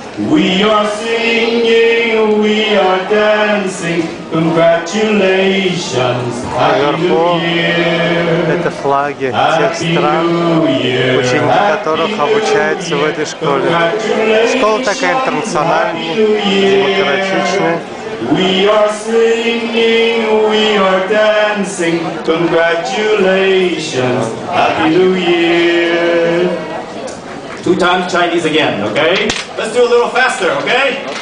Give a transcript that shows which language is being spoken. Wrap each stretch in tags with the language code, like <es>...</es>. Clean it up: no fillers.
<en>We are singing, we are dancing. Congratulations, Happy New Year.</en> <ru>Это флаги тех стран, ученики которых обучаются в этой школе. Школа такая интернациональная, демократичная.</ru> <en>We are singing, we are dancing. Congratulations, Happy New Year. Two times Chinese again, okay? Let's do a little faster, okay?</en>